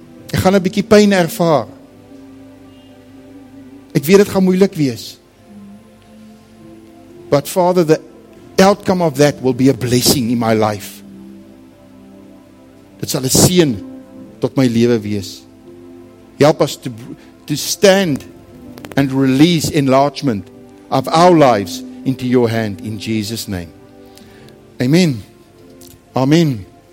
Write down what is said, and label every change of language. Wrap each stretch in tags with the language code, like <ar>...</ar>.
<af>Ek gaan 'n bietjie pyn ervaar. Ek weet dit gaan moeilik wees.</af> <en>But Father, the outcome of that will be a blessing in my life.</en> <af>Dit sal 'n seën tot my lewe wees.</af> <en>Help us to stand and release enlargement of our lives into your hand in Jesus' name. Amen. Amen.</en>